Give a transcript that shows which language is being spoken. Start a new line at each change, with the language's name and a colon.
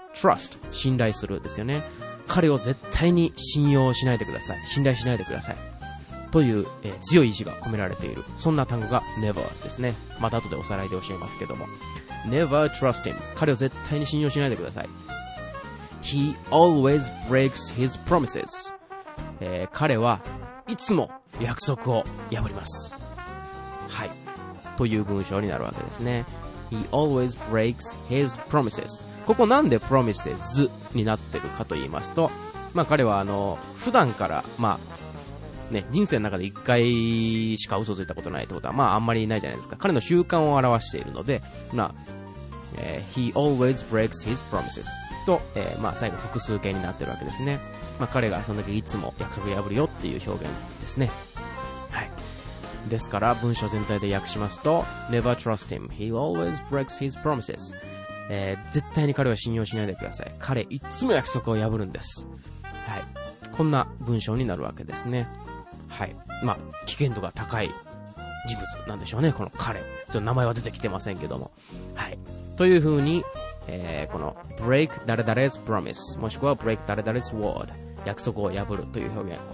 Japanese: trust、信頼するですよね。彼を絶対に信用しないでください。信頼しないでください。という、強い意志が込められている。そんな単語が never ですね。また後でおさらいで教えますけども。
English: Never trust him.
Japanese: 彼を絶対に信用しないでください。
English: He always breaks his promises.
Japanese: 彼はいつも約束を破ります。はい。という文章になるわけですね。
English: He always breaks his promises.
Japanese: ここなんで promises になってるかと言いますと、まあ彼は普段から、まあ、ね、人生の中で一回しか嘘ついたことないってことは、まああんまりないじゃないですか。彼の習慣を表しているので、まあ、
English: he always breaks his promises
Japanese: と、まあ最後複数形になってるわけですね。まあ彼がそんだけいつも約束破るよっていう表現ですね。はい。ですから文章全体で訳しますと、
English: never trust him. He always breaks his promises.
Japanese: 絶対に彼は信用しないでください。彼いつも約束を破るんです。はい。こんな文章になるわけですね。はい。まあ、危険度が高い人物なんでしょうね。この彼。ちょっと名前は出てきてませんけども。はい。という風に、この
English: break 誰々's promise、
Japanese: もしくは
English: break 誰々's word、
Japanese: 約束を破るという表現。